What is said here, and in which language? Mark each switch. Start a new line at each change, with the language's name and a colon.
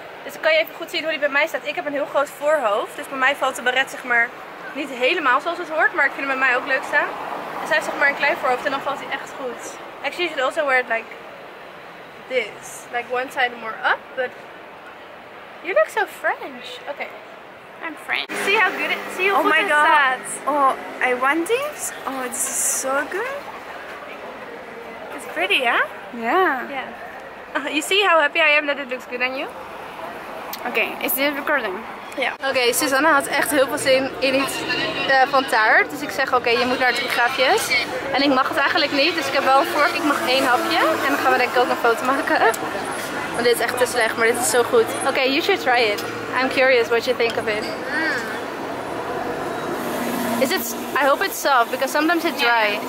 Dutch: Dus kan je even goed zien hoe die bij mij staat. Ik heb een heel groot voorhoofd. Dus bij mij valt de baret zeg maar niet helemaal zoals het hoort. Maar ik vind hem bij mij ook leuk staan. En zij heeft zeg maar een klein voorhoofd en dan valt hij echt goed.
English: Actually, you should also wear it like this. Like one side more up. But you look so French. Okay. I'm French. See how good it is. See how good it is. Oh my god. Oh, I want this. Oh, this is so good. It's pretty, huh? Yeah. Yeah. You see how happy I am that it looks good on you? Okay, is this recording?
Dutch: Ja. Oké, Susanna had echt heel veel zin in iets van taart. Dus ik zeg, oké, je moet naar drie grafjes. En ik mag het eigenlijk niet, dus ik heb wel een vork. Ik mag één hapje. En dan gaan we denk ik ook een foto maken. Want dit is echt te slecht, maar dit is zo goed.
English: Oké, you should try it. I'm curious what you think of it. Is it... I hope it's soft, because sometimes it's dry.